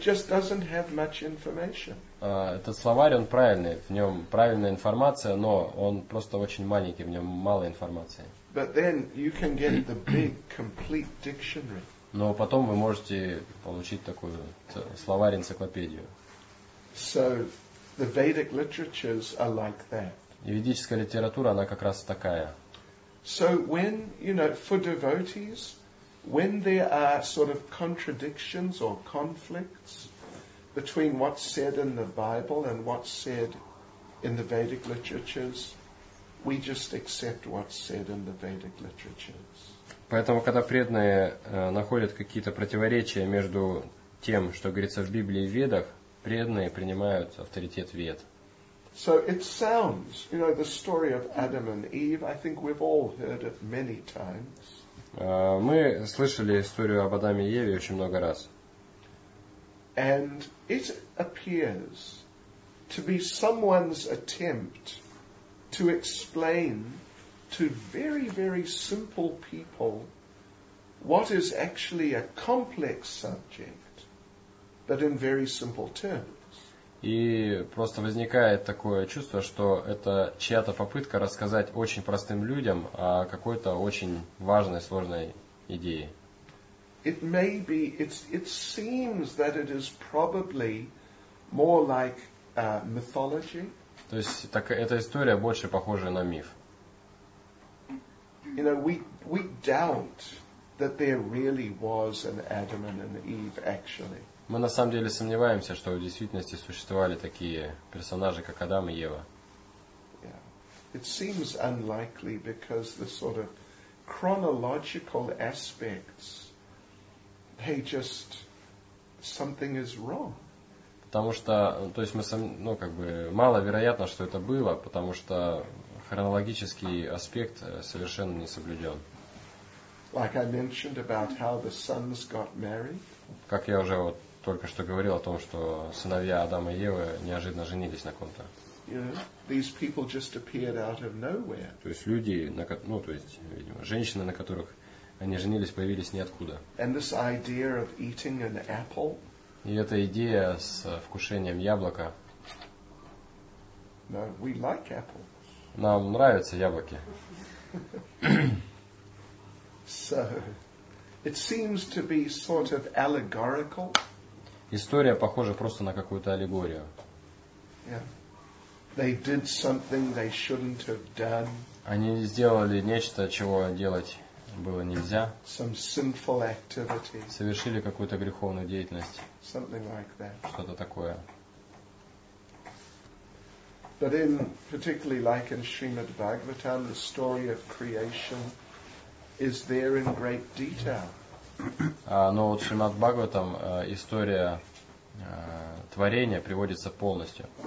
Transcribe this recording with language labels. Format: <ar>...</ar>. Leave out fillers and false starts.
<ru>Этот словарь, он правильный, в нем правильная информация, но он просто очень маленький, в нем мало информации.</ru> <en>But then you can get the big, complete dictionary.</en> <ru>Но потом вы можете получить такую словарь-энциклопедию.</ru> <en>So the Vedic literatures are like that.</en> <ru>И ведическая литература, она как раз такая.</ru> <en>So when, you know, for devotees, when there are sort of contradictions or conflicts between what's said in the Bible and what's said in the Vedic literatures, we just accept what's said in the Vedic literatures.</en> <ru>Поэтому, когда преданные находят какие-то противоречия между тем, что говорится в Библии и Ведах, преданные принимают авторитет Вед.</ru> <en>So it sounds, you know, the story of Adam and Eve, I think we've all heard it many times.</en> <ru>Мы слышали историю об Адаме и Еве очень много раз.</ru> <en>And it appears to be someone's attempt to explain to very, very simple people what is actually a complex subject, but in very simple terms.</en> <ru>И просто возникает такое чувство, что это чья-то попытка рассказать очень простым людям о какой-то очень важной, сложной идее.</ru> <en>It may be, it seems that it is probably more like mythology.</en> <ru>То есть так, эта история больше похожа на миф.</ru> <en>You know, we doubt that there really was an Adam and an Eve actually.</en> <ru>Мы на самом деле сомневаемся, что в действительности существовали такие персонажи, как Адам и Ева.</ru> <en>Yeah. It seems unlikely because the sort of chronological aspects, they just, something is wrong.</en> <ru>потому что, то есть мы сами, ну, как бы, маловероятно, что это было, потому что хронологический аспект совершенно не соблюден.</ru> <en>Like I mentioned about how the sons got married.</en> <ru>Как я уже вот только что говорил о том, что сыновья Адама и Евы неожиданно женились на ком-то.</ru> <en>You know, these people just appeared out of nowhere.</en> <ru>То есть люди, ну, то есть, видимо, женщины, на которых они женились, появились ниоткуда.</ru> <en>And this idea of eating an apple.</en> <ru>И эта идея с вкушением яблока.</ru> <en>No, we like apples.</en> <ru>Нам нравятся яблоки.</ru> <en>So, it seems to be sort of allegorical.</en> <ru>История похожа просто на какую-то аллегорию.</ru> <en>Yeah. They did something they shouldn't have done.</en> <ru>Они сделали нечто, чего делать было нельзя.</ru> <en>Some sinful activity.</en> <ru>Совершили какую-то греховную деятельность.</ru> <en>Something like that.</en> <ru>Что-то такое.</ru> <en>But in particularly like in Srimad Bhagavatam, the story of creation is there in great detail.</en> <ru>Но вот в Шримад Бхагаватам история творения приводится полностью.</ru>